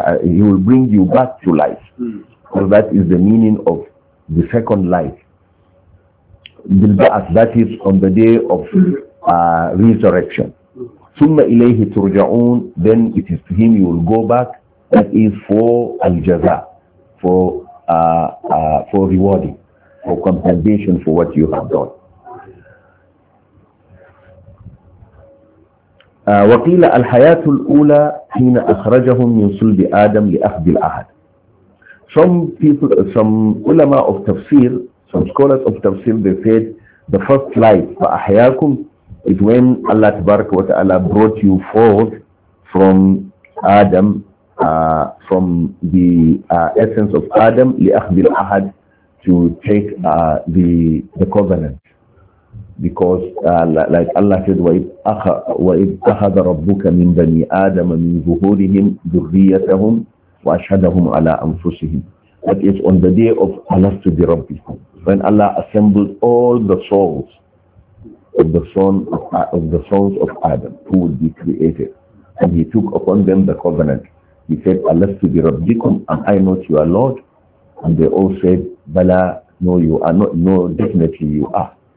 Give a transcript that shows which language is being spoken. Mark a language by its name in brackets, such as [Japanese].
[English] He will bring you back to life. So that is the meaning of the second life. Bil ba'ath, that is on the day of resurrection. [Arabic] ثم إليه ترجعون, [English] then it is to him you will go back. That is for al-jaza, for rewarding, for compensation for what you have done. [Arabic] وقيل الحياة الأولى حين أخرجهم من صلب آدم لأخذ العهد. [English] Some ulama of tafsir, some scholars of tafsir, they said the first life, فأحياكم, is when Allah Tabarak wa Ta'ala brought you forth from Adam, from the essence of Adam, [Arabic] لأخذ العهد, [English] to take the covenant. [Arabic] Because like Allah said, وَإِذْ أَخَذَ رَبُّكَ مِنْ بَنِي آدَمَ مِنْ ظُهُورِهِمْ ذُرِّيَّتَهُمْ وَأَشْهَدَهُمْ عَلَىٰ أَنفُسِهِمْ. [English] That is on the day of Allah to be Rabbikum, when Allah assembled all the souls of the son of the sons of Adam who would be created, and he took upon them the covenant. He said, Allah to be Rabbikum, am I not your Lord? And they all said, Bala, no, you are not, no, definitely you are.